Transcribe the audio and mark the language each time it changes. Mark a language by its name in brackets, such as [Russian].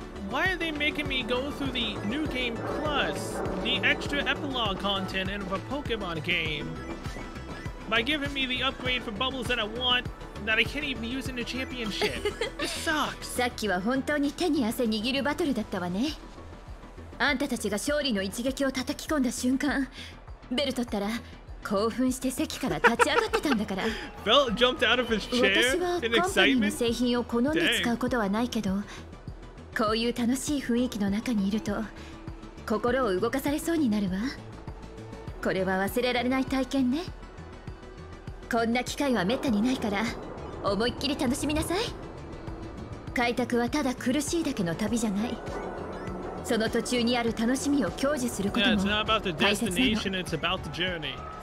[English] Why are they making me go through the New Game Plus, the extra epilogue content of a Pokemon game, by giving me the upgrade for Bubbles that I want that I can't even use in the championship? This sucks! [Japanese] さっきは本当に手に汗握るバトルだったわね。あんたたちが勝利の一撃を叩き込んだ瞬間、ベルトったら興奮して席から立ち上がってたんだから。 [English] ベルト jumped out of his chair in excitement. [Japanese] 私はコンパニーの製品を好んで使うことはないけど、こういう楽しい雰囲気の中にいると心を動かされそうになるわ。これは忘れられない体験ね。こんな機会は滅多にないから思いっきり楽しみなさい。開拓はただ苦しいだけの旅じゃない。その途中にある楽しみを享受することも大切なの。 [English] Yeah, it's not about the destination, it's about the journey.